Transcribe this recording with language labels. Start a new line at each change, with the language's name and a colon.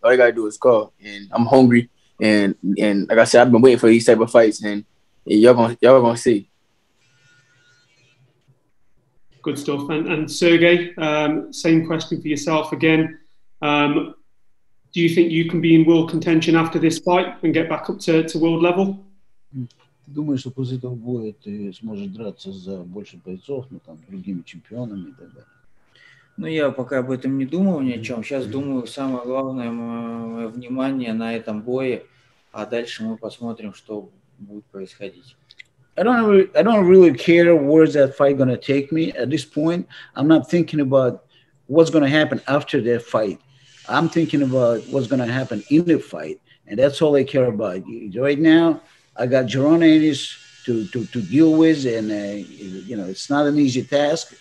English: All you got to do is call, and I'm hungry. And like I said, I've been waiting for these type of fights, and y'all gonna see. Good stuff. And Sergey, same question for yourself again. Do you think you can be in world contention after this fight and get back up to world level?
Russian: Думаю, что после этого боя ты сможешь драться за больше бойцов, ну там, другими чемпионами и так далее. Ну, я пока об этом не думал ни о чем. Сейчас думаю, самое главное внимание на этом бое, а дальше мы посмотрим, что будет происходить.
English: I don't really care where that fight gonna take me at this point. I'm not thinking about what's gonna happen after that fight. I'm thinking about what's gonna happen in the fight, and that's all I care about right now. I got Jaron Ennis to deal with, and you know, it's not an easy task.